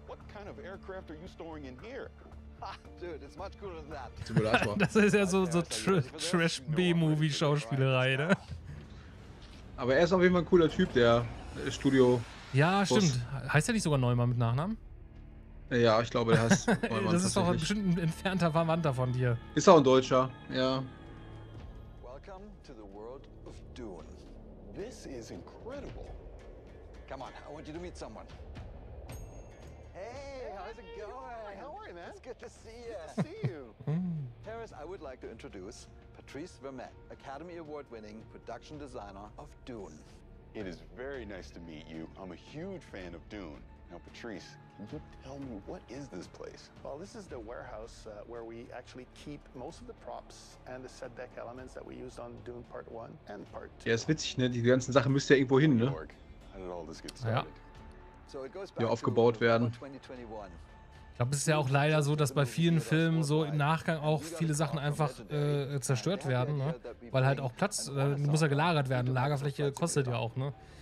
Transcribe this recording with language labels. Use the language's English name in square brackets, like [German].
[English] What kind of aircraft are you storing in here? Dude, it's much cooler than that. [German] Das ist ja so Trash B-Movie Schauspielerei, ne? Aber er ist auf jeden Fall ein cooler Typ, der Studio. Ja, stimmt. Heißt er nicht sogar Neumann mit Nachnamen? Ja, ich glaube, der heißt Neumann. Das ist doch bestimmt ein entfernter Verwandter von dir. Ist auch ein Deutscher, ja. [English] Welcome to the world of Dune. This is incredible. Come on, I want you to meet someone. Hey, how's it going? How are you, man? It's good to see you. Good to see you. Paris, I would like to introduce Patrice Vermette, Academy Award-winning production designer of Dune. It is very nice to meet you. I'm a huge fan of Dune. Now, Patrice, can you tell me, what is this place? Well, this is the warehouse where we actually keep most of the props and the set deck elements that we used on Dune Part 1 and Part 2. [German] Ja, ist witzig, ne? Die ganzen Sachen müsst ihr irgendwo hin, ne? Ja. Ja. Ja, aufgebaut werden. Ich glaube, es ist ja auch leider so, dass bei vielen Filmen so im Nachgang auch viele Sachen einfach zerstört werden, ne? Weil halt auch Platz, muss ja gelagert werden, Lagerfläche kostet ja auch, ne?